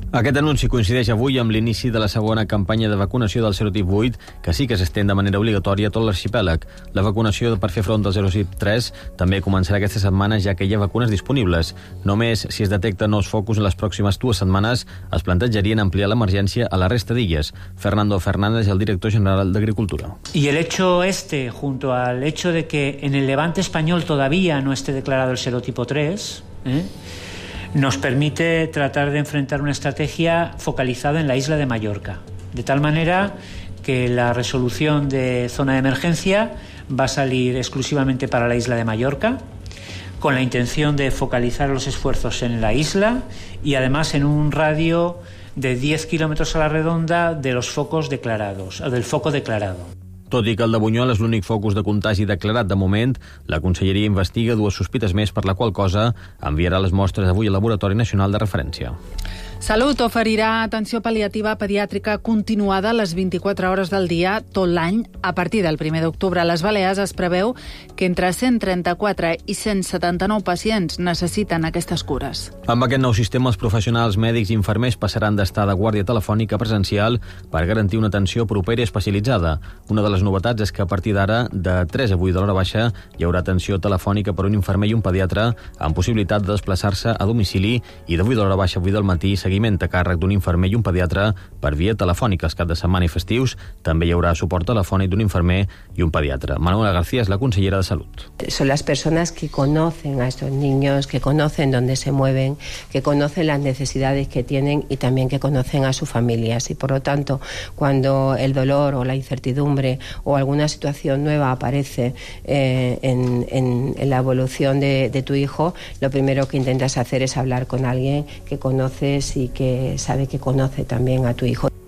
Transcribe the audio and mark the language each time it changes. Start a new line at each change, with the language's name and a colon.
Catalan: Aquest anunci coincideix avui amb l'inici de la segona campanya de vacunació del serotip 8, que sí que s'estén de manera obligatòria a tot l'arxipèlag. La vacunació per fer front al serotip 3 també començarà aquesta setmana, ja que hi ha vacunes disponibles. Només si es detecten nous focus en les pròximes dues setmanes, es plantejarien ampliar l'emergència a la resta d'illes. Fernando Fernández, el director general d'Agricultura.
Spanish: Y el hecho este, junto al hecho de que en el Levante español todavía no esté declarado el serotipo 3, nos permite tratar de enfrentar una estrategia focalizada en la isla de Mallorca. De tal manera que la resolución de zona de emergencia va a salir exclusivamente para la isla de Mallorca, con la intención de focalizar los esfuerzos en la isla y además en un radio de 10 kilómetros a la redonda de los focos declarados, o del foco declarado.
Catalan: Tot i que el de Bunyol és l'únic focus de contagi declarat de moment, la conselleria investiga dues sospites més, per la qual cosa enviarà les mostres avui al Laboratori Nacional de Referència. Salut oferirà atenció pal·liativa pediàtrica continuada les 24 hores del dia tot l'any. A partir del 1 d'octubre a les Balears es preveu que entre 134 i 179 pacients necessiten aquestes cures. Amb aquest nou sistema, els professionals mèdics i infermers passaran d'estar de guàrdia telefònica presencial per garantir una atenció propera i especialitzada. Una de les novetats és que a partir d'ara, de 3 a 8 de l'hora baixa, hi haurà atenció telefònica per un infermer i un pediatre amb possibilitat de desplaçar-se a domicili i de 8 de l'hora baixa a 8 del matí seguiment a càrrec d'un infermer i un pediatre per via telefònica. Els caps de setmana i festius també hi haurà suport telefònic d'un infermer i un pediatre. Manuela García és la consellera de Salut.
Spanish: Son las personas que conocen a estos niños, que conocen dónde se mueven, que conocen las necesidades que tienen y también que conocen a sus familias. Y por lo tanto, cuando el dolor o la incertidumbre o alguna situación nueva aparece en la evolución de tu hijo, lo primero que intentas hacer es hablar con alguien que conoce y que sabe que conoce también a tu hijo.